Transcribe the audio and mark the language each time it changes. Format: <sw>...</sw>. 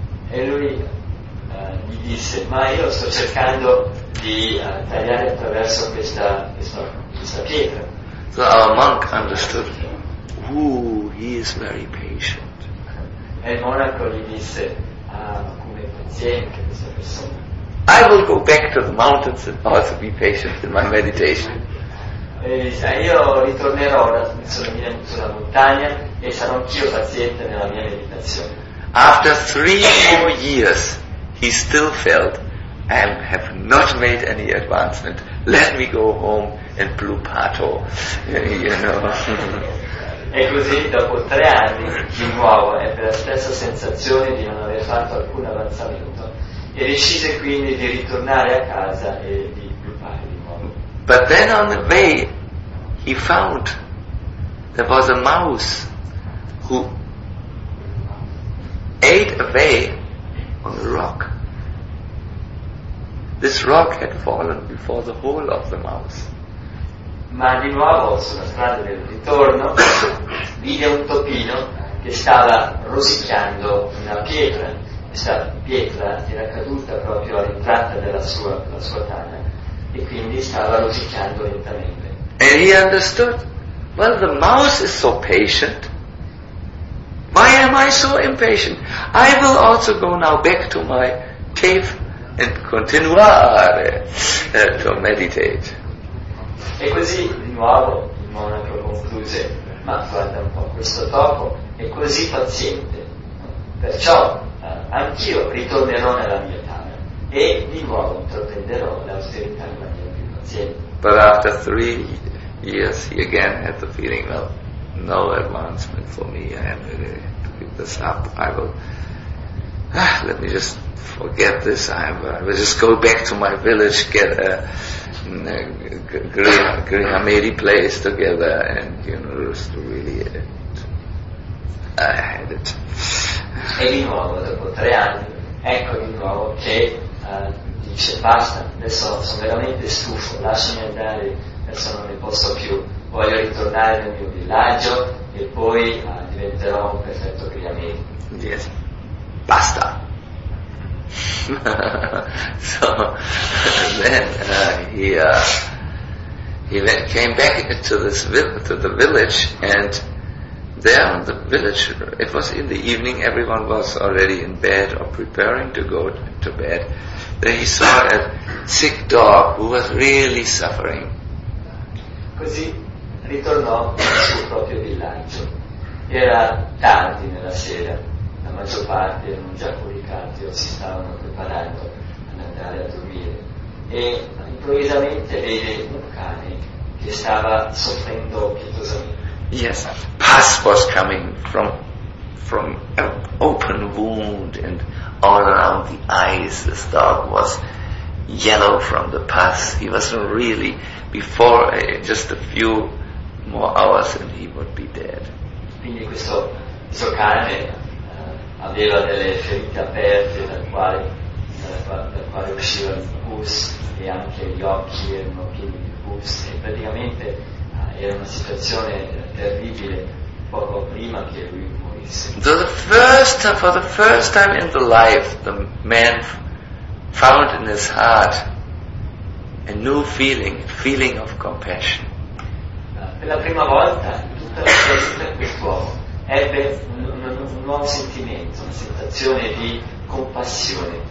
<it>E lui gli disse, ma io sto cercando di tagliare attraverso questa pietra.</it> <en>So our monk understood. Ooh, he is very patient.</en> <it>E il monaco gli disse, come paziente questa persona.</it> <en>I will go back to the mountains and also be patient in my meditation.</en> <it>Io ritornerò sulla montagna e sarò anch'io paziente nella mia meditazione.</it> <en>After 3 more years he still felt I have not made any advancement, let me go home and blupato, you know.</en> <it>E così dopo 3 anni di nuovo ebbe la stessa sensazione di non aver fatto alcun avanzamento e decise quindi di ritornare a casa e di blupare di nuovo.</it> <en>But then on the way he found there was a mouse who ate away on a rock. This rock had fallen before the hole of the mouse.</en> <it>Ma di nuovo sulla strada del ritorno vide un topino che stava rosicchiando una pietra. Questa pietra era caduta proprio all'entrata della sua tana e quindi stava rosicchiando lentamente.</it> <en>And he understood, well, the mouse is so patient. Why am I so impatient? I will also go now back to my cave and</en> <it>continuare</it> <en>to meditate.</en> <it>E così di nuovo il monaco concluse, ma guarda un po', questo topo è così paziente, perciò anch'io ritornerò nella mia tana e di nuovo intraprenderò l'austerità in maniera più paziente.</it> <en>But after 3 years he again had the feeling, well, no advancement for me, I am ready to give this up, I will let me just forget this, I will just go back to my village, get a Grihamedi place together and, you know, just really had it.</en> <it>e di nuovo dopo 3 anni ecco di nuovo che dice basta, adesso sono veramente stufo, lasciami andare, adesso non ne posso più, voglio ritornare nel mio villaggio e poi diventerò un perfetto criamento.</it> <en>Yes.</en> <it>Basta.</it> <en>So then he came back to this to the village, and there in the village, it was in the evening, everyone was already in bed or preparing to go to bed. Then he saw a sick dog who was really suffering.</en> <it>Così ritornò nel suo proprio villaggio. Era tardi nella sera, la maggior parte erano già coricati o si stavano preparando ad andare a dormire, e improvvisamente vede un cane che stava soffrendo pietosamente.</it> <en>Yes, pus was coming from an open wound, and all around the eyes this dog was yellow from the pus. He wasn't really, before just a few more hours and he would be dead.</en> <it>Quindi questo cane aveva delle ferite aperte dal quale usciva il pus, e anche gli occhi erano pieni di pus, e praticamente era una situazione terribile poco prima che lui morisse.</it> <en>For the first time in the life, the man found in his heart a new feeling of compassion.</en> <it>Per la prima volta in tutta la sua vita quest'uomo ebbe un nuovo sentimento, una sensazione di compassione.</it>